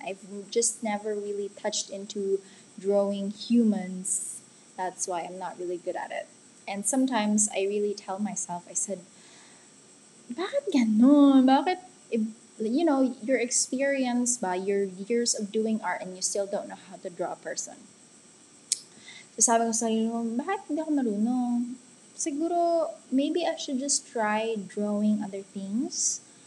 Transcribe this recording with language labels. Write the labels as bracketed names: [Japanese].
[English] I've just never really touched into drawing humans. That's why I'm not really good at it. And sometimes I really tell myself, I said, [Filipino] bakit ganun? Bakit? [English] You know, your experience by your years of doing art and you still don't know how to draw a person. [Filipino] So sabi ko sa inyo, bakit hindi ako marunong? Siguro, [English] maybe I should just try drawing other things.